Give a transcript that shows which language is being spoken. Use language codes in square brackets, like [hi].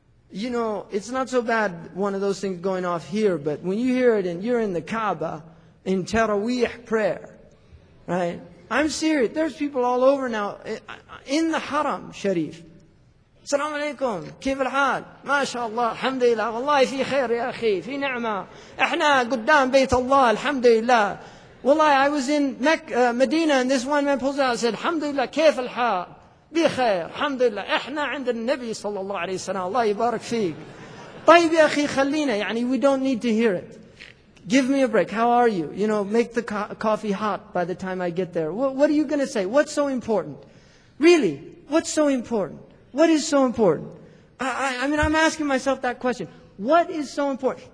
[en] You know, it's not so bad, one of those things going off here, but when you hear it and you're in the Kaaba in Taraweeh prayer, right? I'm serious. There's people all over now in the Haram Sharif. Assalamu alaikum. [ar] كيف الحال؟ ما شاء الله الحمد لله والله في خير يا أخي في نعمة إحنا قدام بيت الله الحمد لله والله. [en] I was in Medina and this one man pulls out and said [ar] الحمد لله كيف الحال؟ بخير الحمد لله إحنا عند النبي صلى الله عليه وسلم الله يبارك فيك. طيب يا أخي خلينا يعني, [en] we don't need to hear it. Give me a break. How are you? You know, make the coffee hot by the time I get there. What are you going to say? What's so important? Really? What's so important? What is so important? I mean, I'm asking myself that question. What is so important?